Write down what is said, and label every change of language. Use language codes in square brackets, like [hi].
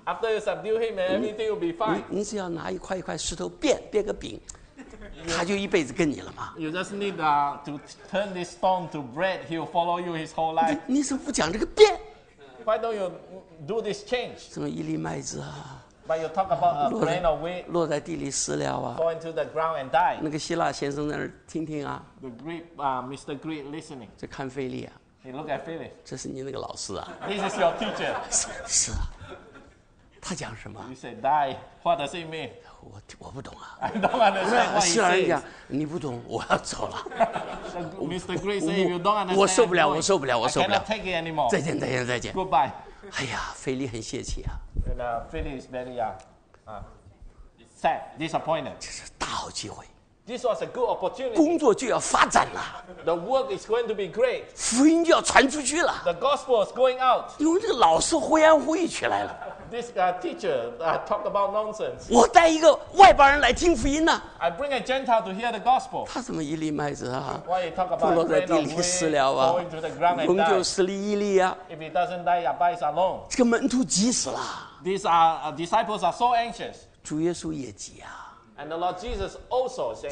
[en] ？After you subdue him, everything will be fine. [zh] 你只要拿一块一块石头变变个饼。他就一辈子跟你了吗 [en] ？You just need to turn this stone to bread. He'll follow you his whole life. [zh] 你怎么不讲这个变 [en] ？Why don't you do this change？ [zh] 什么一粒麦子啊 [en] ？But you talk about a grain of wheat. [zh] 落在地里死了啊 [en] ！Fall into the ground and die. [zh] 那个希腊先生在那儿听听啊 [en] ！The Greek, Mr. Greek, listening. [zh] 在看菲利啊 [en] ！He look at Philip. [zh] 这是你那个老师啊 [en] ？This is your teacher. [zh] 是啊。他讲什么 [en] ？You say die. What does it mean？ [zh] 我不懂啊。 [en] I don't understand. [zh] 希腊人讲你不懂，我要走了。 [en] Mr. Gray said you don't understand. [zh] 我受不了，我受不了，我受不了。 [en] I cannot take it anymore. [zh] 再见，再见，再见。 [en] Goodbye. [zh] 哎呀，菲利很泄气啊。 [en] And Philip is very sad, disappointed. [zh] 这是大好机会。 [en] This was a good opportunity. [zh] 工作就要发展了。 [en] The work is going to be great. [zh] 福音就要传出去了。 [en] The gospel is going out. [zh] 因为这个老师灰言灰语起来了。 [en] This teacher talk about nonsense. [zh] 我带一个外邦人来听福音呢。 [en] I bring a Gentile to hear the gospel. [zh] 他怎么一粒麦子啊？ [en] Why you talk about [zh] 落在地里死了啊？仍旧死了一粒啊。 [en] If he doesn't die, he abides alone. [zh] 这个门徒急死了。 [en] These disciples are so anxious. [zh] 主耶稣也急啊。 [en] And the Lord Jesus also said.